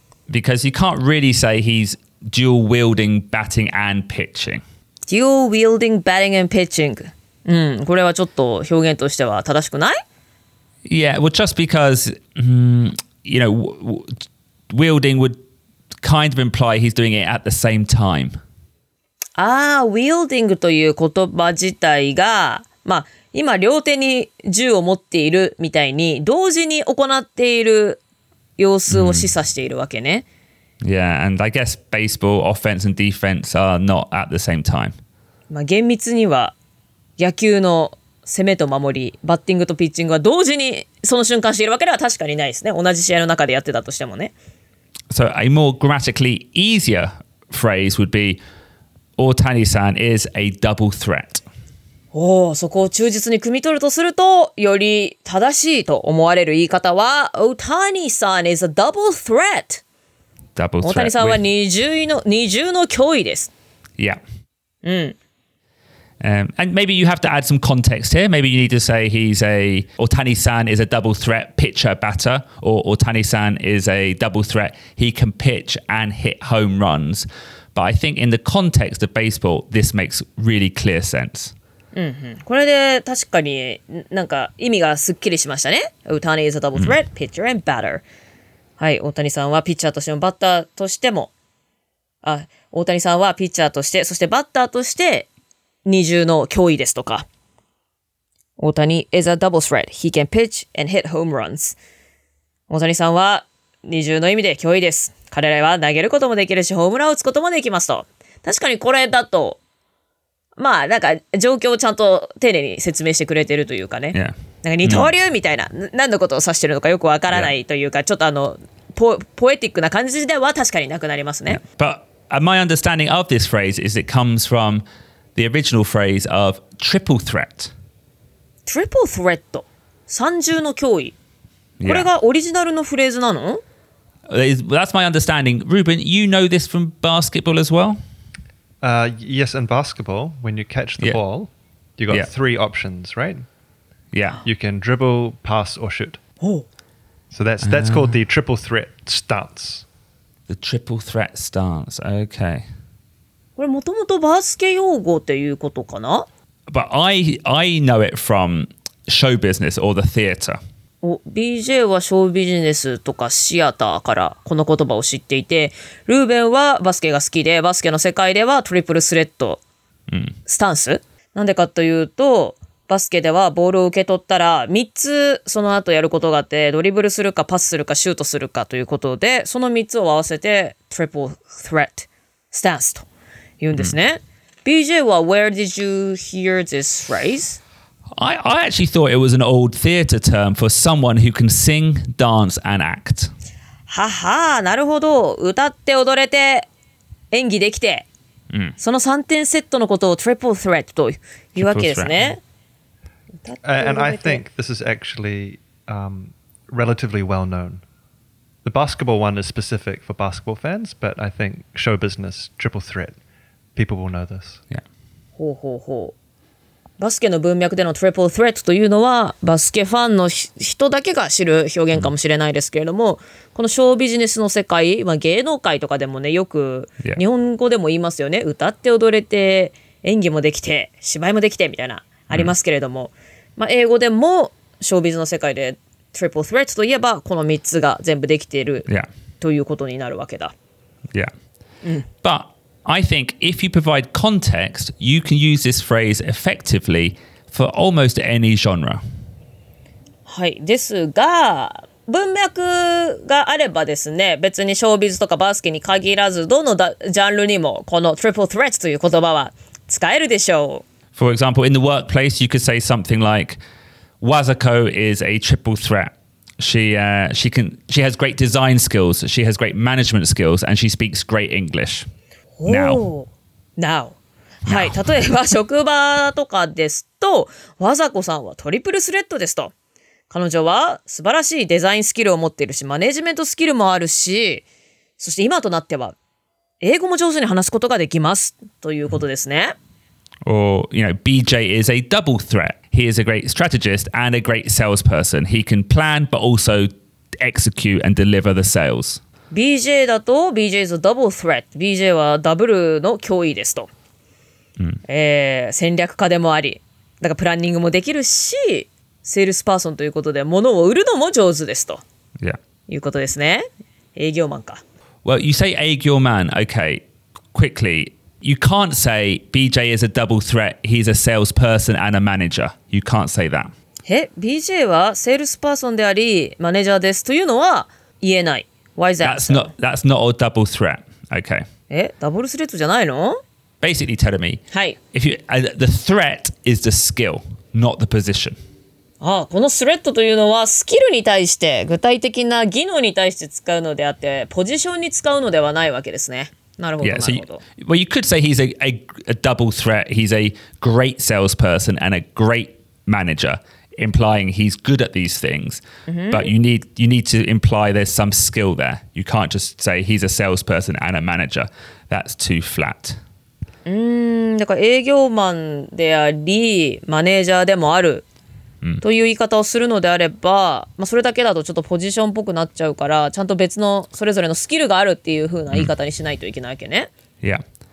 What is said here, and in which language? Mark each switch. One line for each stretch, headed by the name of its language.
English: Because you can't really say he's dual wielding batting and pitching。 Dual wielding batting and pitching。
Japanese: うん、これはちょっと表現としては正しくない？
English: Yeah, well just because、you know, wielding would kind of imply he's doing it at the same time。
Japanese: ああ、wielding という言葉自体が、まあ今両手に銃を持っているみたいに同時に行っている様子を示唆しているわけね。
English: Yeah, and I guess baseball, offense and defense are not at the same time.
Japanese: まあ厳密には野球の攻めと守り、バッティングとピッチングは同時にその瞬間しているわけでは確かにないですね。同じ試合の中でやってたとしてもね。
English: So a more grammatically easier phrase would be, Ohtani-san is a double threat.
Japanese: おお、そこを忠実に汲み取るとすると、より正しいと思われる言い方は、
English: Ohtani-san is a double threat. Double threat.
Japanese: 大谷さんは二重の脅威です。
English: Yeah.
Japanese: うん。
English: And maybe you have to add some context here. Maybe you need to say he's a Ohtani-san is a double threat pitcher batter, or Ohtani-san is a double threat. He can pitch and hit home runs. But I think in the context of baseball, this makes really clear sense.
Japanese: これで確かになんか意味がすっきりしましたね。
English: Ohtani is a double threat pitcher and batter.
Japanese: はい、Ohtani-san はピッチャーとしてもバッターとしても、あ、Ohtani-san はピッチャーとしてそしてバッターとして二重の脅威ですとか、大谷
English: is a double threat. He can pitch and hit home runs.
Japanese: 大谷さんは二重の意味で脅威です。彼らは投げることもできるし、ホームランを打つこともできますと。確かにこれだと、まあなんか状況をちゃんと丁寧に説明してくれてるというかね。
English: Yeah.
Japanese: なんか二刀流みたいな、何のことを指してるのかよくわからないというか、ちょっとあのポエティックな感じでは確かになくなりますね。
English: Yeah. But my understanding of this phrase is it comes fromthe original phrase of triple threat. Triple threat?
Japanese: 三重の脅威。これがオリジナルのフレーズなの？
English: That's my understanding. Ruben, you know this from basketball as well? Yes, in basketball, when you catch the ball, you got three options, right? Yeah. You can dribble, pass, or shoot. Oh. So that's called the triple threat stance. The triple threat stance, okay.
Japanese: これもともとバスケ用語っていうことかな？
English: But I know it from show business or the theater.
Japanese: BJ はショービジネスとかシアターからこの言葉を知っていて、ルーベンはバスケが好きで、バスケの世界ではトリプルスレッドスタンス、なんでかというと、バスケではボールを受け取ったら3つその後やることがあって、ドリブルするかパスするかシュートするかということで、その3つを合わせてトリプルスレッドスタンスと言うんですね。
English: BJ は where did you hear this phrase? I actually thought it was an old theater term for someone who can sing, dance and act.
Japanese: はは、なるほど。歌って踊れて演技できて、その3点セットのことを triple threat というわけですね。
English: And I think this is actually relatively well known. The basketball one is specific for basketball fans, but I think show business, triple threat. People will know this. Yeah.
Japanese: ほうほうほう。バスケの文脈でのトリプルスレッドというのは、バスケファンの人だけが知る表現かもしれないですけれども、このショービジネスの世界、まあ、芸能界とかでもね、よく日本語でも言いますよね。歌って踊れて、演技もできて、芝居もできてみたいな、ありますけれども、まあ、英語でもショービズの世界でトリプルスレッドといえば、この3つが全部できているということになるわけだ。
English: Yeah. But,I think if you provide context, you can use this phrase effectively for almost any genre.
Japanese: はい、ですが、文脈があればですね、別にショービズとかバスケに限らず、どのジャンルにもこの triple threat という言葉は使えるでしょう。
English: For example, in the workplace, you could say something like, Wazuko is a triple threat. She has great design skills, she has great management skills, and she speaks great English. Now.
Japanese: はい、例えば職場とかですと、わざこさんはトリプルスレッドですと。彼女は素晴らしいデザインスキルを持っているし、マネジメントスキルもあるし、そして今となっては英語も上手に話すことができますということですね。
English: Or, you know, BJ is a double threat. He is a great strategist and a great salesperson. He can plan, but also execute and deliver the sales. BJ だと BJ is a double threat.
Japanese: BJ はダブルの脅威ですと。戦略家でもあり、だからプランニングもできるし、セールスパーソンということで物を売るのも上手ですと。
English: Yeah.
Japanese: いうことですね。営業マンか。
English: Well, you say 営業マン。 Okay. Quickly. You can't say BJ is a double threat. He's a salesperson and a manager. You can't say that.
Japanese: BJ はセールスパーソンでありマネージャーですというのは言えない。
English: Why is that? That's not a double threat. Okay.
Japanese: ダブルスレッドじゃないの?
English: Basically telling me, the threat is the skill, not the position.
Japanese: ああこのスレッドというのはスキルに対して具体的な技能に対して使うのであってポジションに使うのではないわけですね。
English: Yeah, so you could say he's a double threat. He's a great salesperson and a great manager, implying he's good at these things.、Mm-hmm. But you need to imply there's some skill there. You can't just say he's a salesperson and a manager. That's too flat.
Japanese: だから営業マンでありマネージャーでもある、という言い方をするのであれば、まあ、それだけだとちょっとポジションっぽくなっちゃうからちゃんと別のそれぞれのスキルがあるっていう風な言い方にしないといけないわけね、
English: yeah.